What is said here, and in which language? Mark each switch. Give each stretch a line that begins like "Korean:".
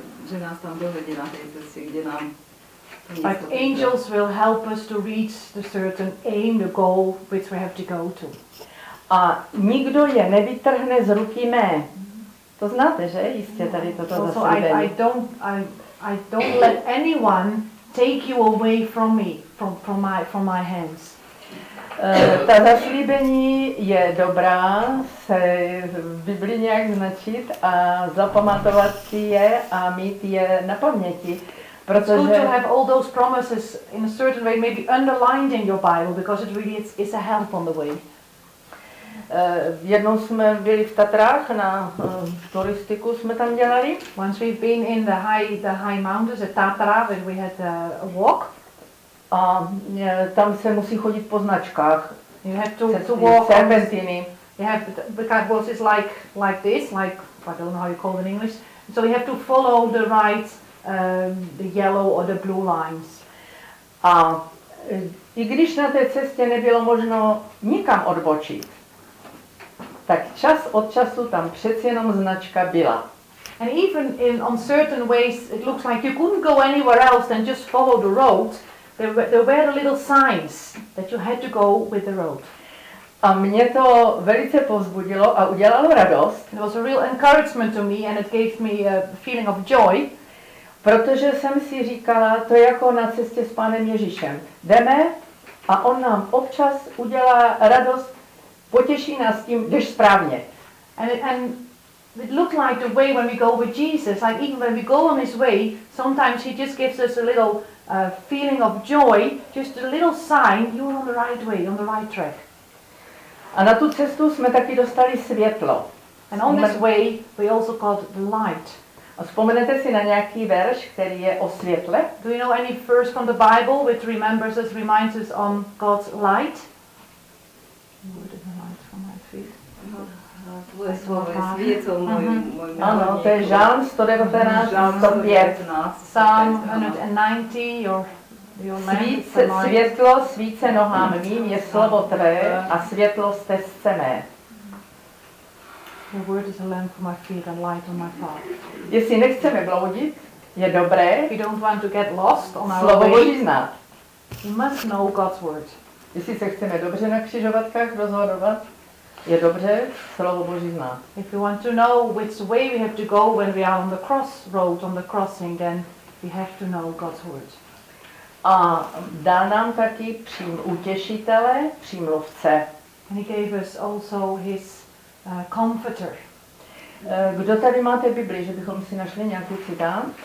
Czech: Že nás tam dovede na tej cestě, kde nám
English: like angels will help us to reach the certain aim, the goal which we have to go to.
Czech: A nikdo je nevytrhne z ruky mé. To znáte, že? Jistě tady toto zaslíbení.
English: So I don't let anyone take you away from me, from my hands.
Czech: Ta zaslíbení je dobrá se v Biblii nějak značit a zapamatovat si je a mít je na paměti.
English: It's good to have all those promises in a certain way, maybe underlined in your Bible, because it really is a help on the way.
Czech: Jednou jsme byli v Tatrách na turistiku jsme tam dělali.
English: Once we've been in the high mountains at Tatra, where we had a walk.
Czech: A tam se musí chodit po značkách.
English: You have to walk
Czech: serpentiny.
English: You have because it is like this, like I don't know how you call it in English. So you have to follow the right the yellow or the blue lines.
Czech: A i když na té cestě nebylo možno nikam odbočit, tak čas od času tam přeci jenom značka byla.
English: And even in on certain ways it looks like you couldn't go anywhere else than just follow the road, there were the little signs that you had to go with the road.
Czech: A mě to velice povzbudilo a udělalo radost.
English: It was a real encouragement to me and it gave me a feeling of joy.
Czech: Protože jsem si říkala, to je jako na cestě s Pánem Ježíšem. Jdeme a on nám občas udělá radost, potěší nás tím, jdeš správně.
English: And it looked like the way when we go with Jesus, like even when we go on his way, sometimes he just gives us a little feeling of joy, just a little sign, you're on the right way, on the right track.
Czech: A na tu cestu jsme taky dostali světlo.
English: And on this way we also got the light.
Czech: A vzpomenete si na nějaký verš, který je o světle?
English: Do you know any verse from the Bible which remembers us, reminds us on God's light? Word of the light from my feet.
Czech: Tvoje slovo je světlo mojemu. Ano, to je Žalm 119, 105.
English: Psalm 190,
Czech: světlo svíce nohám mým, je slovo tvé a světlo stezce mé.
English: The word is a lamp for my feet and light on my path.
Czech: Jestli nechceme bloudit, je dobré.
English: We don't want to get lost on our
Czech: slovo
English: way.
Czech: Slovo Boží znát.
English: We must know God's word.
Czech: Jestli se chceme dobře na křižovatkách rozhodovat, je dobře slovo Boží znát.
English: If we want to know which way we have to go when we are on the crossroads, on the crossing, then we have to know God's word.
Czech: A dal nám taky utěšitele, přímluvce.
English: And he gave us also his comforter.
Czech: Kdo tady máte Bibli, že bychom si našli nějaký citát?